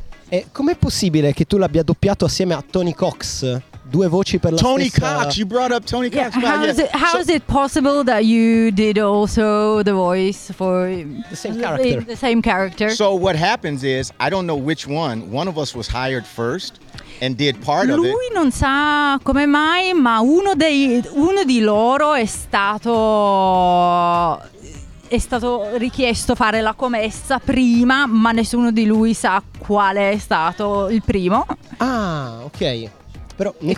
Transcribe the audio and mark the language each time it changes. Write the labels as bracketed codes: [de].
[it] E com'è possibile che tu l'abbia doppiato assieme a Tony Cox? Due voci per la Tony stessa... [en] Cox, you brought up Tony Cox. Yeah. How is it possible that you did also the voice for the same character? The same character. So what happens is, I don't know which one. One of us was hired first and did part [it] Lui Lui non sa come mai, ma uno di loro è stato richiesto fare la commessa prima, ma nessuno di lui sa quale è stato il primo. Ah, ok. Però